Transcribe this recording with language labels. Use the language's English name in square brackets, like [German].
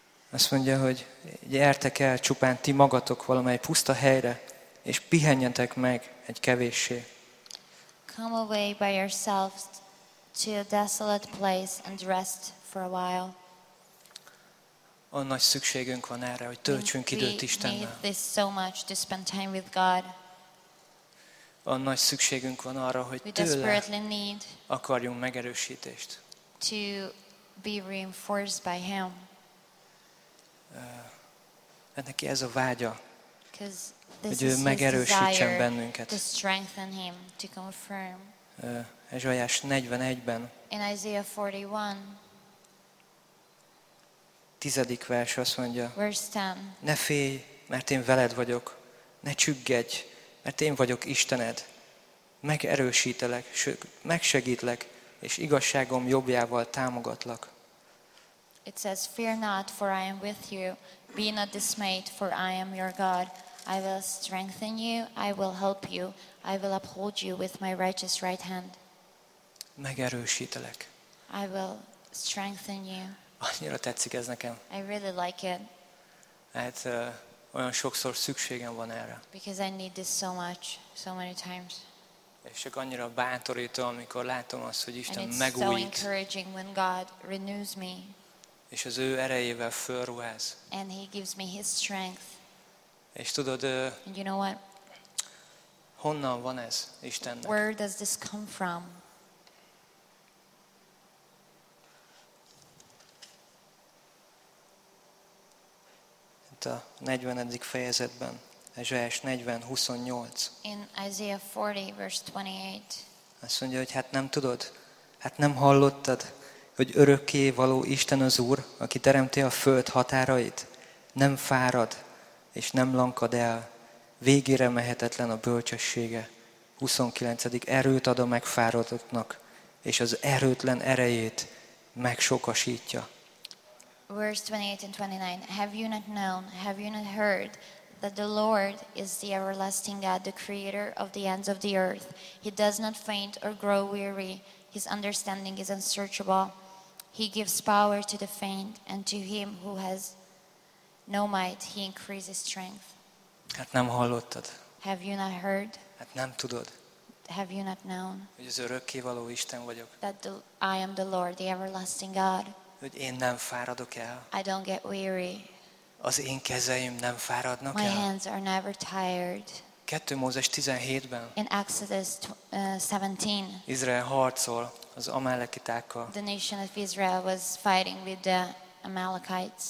[Hungarian] Azt mondja, hogy gyertek el csupán ti magatok valamely puszta helyre, és pihenjetek meg egy kevéssé. [English] Come away by yourselves to a desolate place and rest for a while. [Hungarian] A nagy szükségünk van erre, hogy töltsünk időt Istennel. [English] We need this so much to spend time with God. [Hungarian] A nagy szükségünk van arra, hogy tőle akarjunk megerősítést. [English] To be reinforced by him. [Hungarian] Neki ez a vágya. Hogy ő megerősítsen bennünket. [English] To strengthen him, to confirm. [Hungarian] Ezsaiás 41-ben. [English] In Isaiah 41. [Hungarian] 10. vers azt mondja, [English] verse 10. [Hungarian] Ne félj, mert én veled vagyok. Ne csüggedj, mert én vagyok Istened. Megerősítelek, sőt, megsegítlek, és igazságom jobbjával támogatlak. [English] It says, fear not, for I am with you. Be not dismayed, for I am your God. I will strengthen you, I will help you, I will uphold you with my righteous right hand. [Hungarian] Megerősítelek. [English] I will strengthen you. [Hungarian] Annyira tetszik ez nekem. [English] I really like it. [Hungarian] Hát olyan sokszor szükségem van erre. [English] Because I need this so much, so many times. [Hungarian] És csak annyira bátorító, amikor látom azt, hogy Isten megújít. [English] And it's so encouraging when God renews me. [Hungarian] És az ő erejével fölruház. [English] And he gives me his strength. [Hungarian] És tudod, [English] and you know what? [Hungarian] Honnan van ez Istennek? [English] Where does this come from? [Hungarian] A 40. fejezetben, Ezsaiás 40:28. [English] In Isaiah 40, verse 28. [Hungarian] Azt mondja, hogy hát nem tudod, hát nem hallottad, hogy örökké való Isten az Úr, aki teremti a föld határait, nem fárad, és nem lankad el, végére mehetetlen a bölcsessége. 29. Erőt ad a megfáradottnak, és az erőtlen erejét megsokasítja. [English] Verse 28 and 29. Have you not known, have you not heard that the Lord is the everlasting God, the creator of the ends of the earth? He does not faint or grow weary. His understanding is unsearchable. He gives power to the faint, and to him who has no might, he increases strength. [Hungarian] Hát nem hallottad? [English] Have you not heard? [Hungarian] Hát nem tudod? [English] Have you not known? [Hungarian] Hogy az örökkévaló Isten vagyok. [English] That I am the Lord, the everlasting God. [Hungarian] Hogy én nem fáradok el. [English] I don't get weary. [Hungarian] Az én kezeim nem fáradnak [English] My [Hungarian] el. [English] My hands are never tired. [Hungarian] 2 Mózes 17-ben. [English] In Exodus 17. [Hungarian] Izrael harcol az amalekitákkal. [English] The nation of Israel was fighting with the Amalekites.